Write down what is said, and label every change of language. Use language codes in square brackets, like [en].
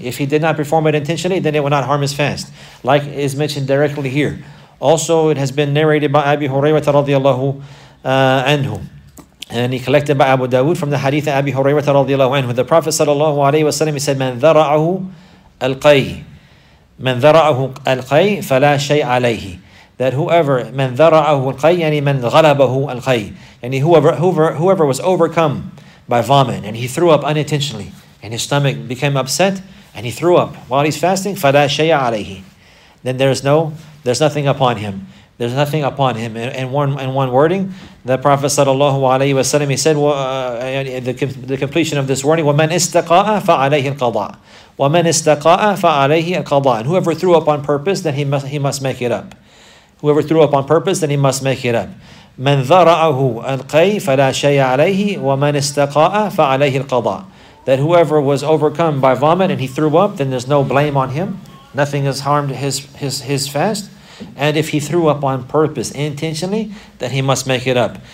[en] If he did not perform it intentionally, then it will not harm his fast. Like is mentioned directly here. Also, it has been narrated by Abi Hurairah radiallahu anhu. And he collected by Abu Dawood from the hadith of Abi Hurairah radiallahu anhu. The Prophet sallallahu alayhi wa sallam, he said, [ar] من ذرعه القي. من ذرعه القي فلا شيء عليه. [en] That whoever, [ar] من ذرعه القي, يعني [en] من غلبه القي, يعني whoever was overcome by vomit, and he threw up unintentionally, and his stomach became upset, and he threw up while he's fasting, [ar] فلا شيء عليه. [en] Then there's nothing upon him. In one wording, the Prophet sallallahu alayhi wa sallam, he said, the completion of this wording, [ar] ومن استقاء فعليه القضاء. ومن استقاء فعليه القضاء. [en] And whoever threw up on purpose, then he must make it up. Whoever threw up on purpose, then he must make it up. [ar] مَنْ ذَرَعَهُ الْقَيْ فَلَا شَيْءَ عَلَيْهِ وَمَنْ اسْتَقَاءَ فَعَلَيْهِ الْقَضَاءِ. [en] That whoever was overcome by vomit and he threw up, then there's no blame on him. Nothing has harmed his fast. And if he threw up on purpose intentionally, then he must make it up.